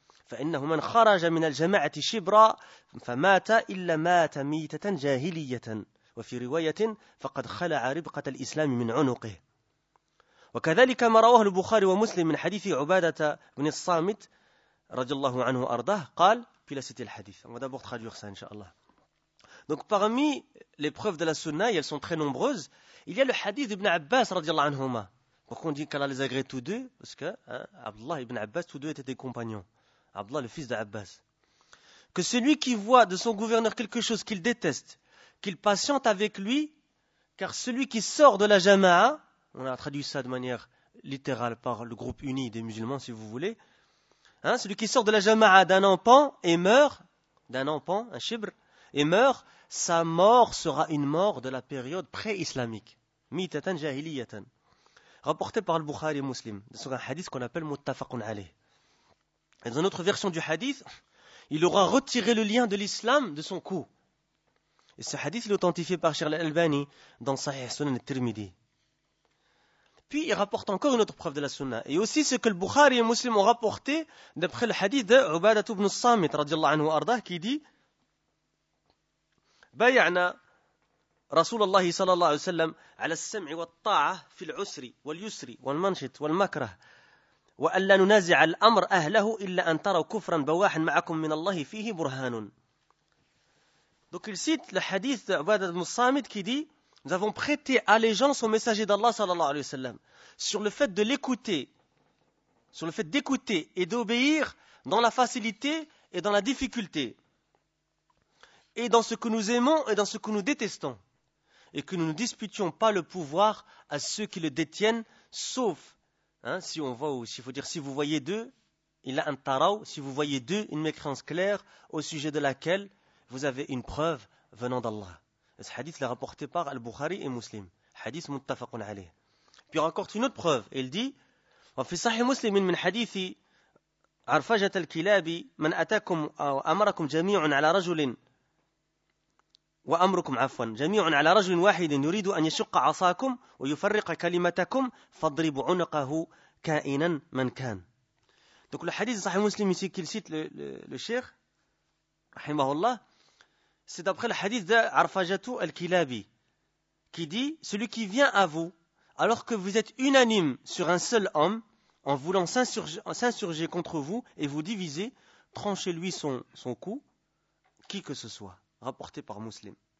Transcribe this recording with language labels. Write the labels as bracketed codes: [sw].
[ar] فإنه من خرج من الجماعة شبرا فمات إلا مات ميتة جاهلية، وفي رواية فقد خلع ربقة الإسلام من عنقه. وكذلك ما رواه البخاري ومسلم من حديث عبادة بن الصامت رضي الله عنه أرضاه قال في لسة الحديث. ودابوغ تخرجوغ سا إن شاء الله. [fr] Donc parmi les preuves de la sunna, elles sont très nombreuses, il y a le hadith d'Ibn Abbas, radiallahu anhuma. Pourquoi on dit qu'Allah les agrée tous deux? Parce que Abdullah et Ibn Abbas, tous deux étaient des compagnons. Abdullah, le fils d'Abbas. Que celui qui voit de son gouverneur quelque chose qu'il déteste, qu'il patiente avec lui, car celui qui sort de la jama'a, on a traduit ça de manière littérale par le groupe uni des musulmans, si vous voulez, hein, celui qui sort de la jama'a d'un empan et meurt, d'un empan, un chibre, et meurt, sa mort sera une mort de la période pré-islamique. Mitatan jahiliyatan. Rapporté par le Bukhari et Muslim, sur un hadith qu'on appelle Muttafaqun alayh. Et dans une autre version du hadith, il aura retiré le lien de l'islam de son cou. Et ce hadith est authentifié par Cheikh Al-Albani dans Sahih Sunan al-Tirmidhi. Puis il rapporte encore une autre preuve de la Sunna. Et aussi ce que le Bukhari et Muslim ont rapporté d'après le hadith de Ubadah ibn Samit, radiallahu anhu ardah, qui dit. [ar] بايعنا رسول الله صلى الله عليه وسلم على السمع والطاعة في العسر واليسر والمنشط والمكره وأن لا ننازع الأمر أهله إلا أن تروا كفرا بواحا معكم من الله فيه برهان. [fr] Donc il cite le hadith d'Abad al-Mussamid qui dit: nous avons prêté allégeance au messager d'Allah صلى الله عليه وسلم sur le fait de l'écouter, sur le fait d'écouter et d'obéir dans la facilité et dans la difficulté, et dans ce que nous aimons et dans ce que nous détestons, et que nous ne disputions pas le pouvoir à ceux qui le détiennent, sauf, hein, si on voit, ou s'il faut dire, si vous voyez deux, il a un taraw, si vous voyez deux, une mécréance claire, au sujet de laquelle vous avez une preuve venant d'Allah. Ce hadith est rapporté par Al-Bukhari et Muslim. Hadith muttafaqun alayh. Puis il rapporte une autre preuve, et il dit, [ar] « وَفِي صَحِي مُسْلِمٍ مِنْ حَدِيثِ عَرْفَجَةَ الْكِلَابِ مَنْ أَتَاكُمْ أَوْ أَمَرَكُمْ جَمِيعٌ عَلَى رَجُلٍ وأمركم عفوا جميع على رجل واحد يريد أن يشق عصاكم ويفرق كلمتكم فاضرب عنقه كائنا من كان. [fr] Donc le hadith صحيح مسلم ici qu'il cite le cheikh رحمه الله, c'est d'après le hadith de Arfajatu al-Kilabi qui dit: celui qui vient à vous alors que vous êtes unanime sur un seul homme en voulant s'insurger contre vous et vous diviser, tranchez lui son cou, qui que ce soit. Rapporté par Muslim.